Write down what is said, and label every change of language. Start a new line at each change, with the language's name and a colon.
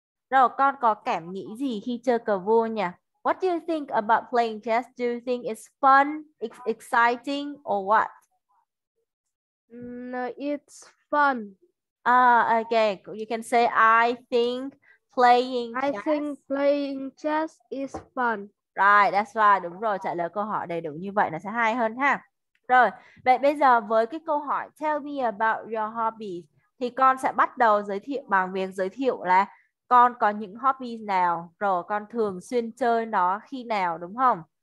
Vietnamese: Rồi, con có cảm nghĩ gì khi chơi cờ vua nhỉ?
English: What do you think about playing chess? Do you think it's fun, exciting or what? No, it's fun. Okay, you can say I think playing chess is fun. Right, that's right.
Vietnamese: Đúng rồi, trả lời câu hỏi đầy đủ như vậy nó sẽ hay hơn ha. Rồi, vậy bây giờ với cái câu hỏi
English: tell me about your hobbies
Vietnamese: thì con sẽ bắt đầu giới thiệu bằng việc giới thiệu là con có những hobbies nào, rồi con thường xuyên chơi nó khi nào, đúng không?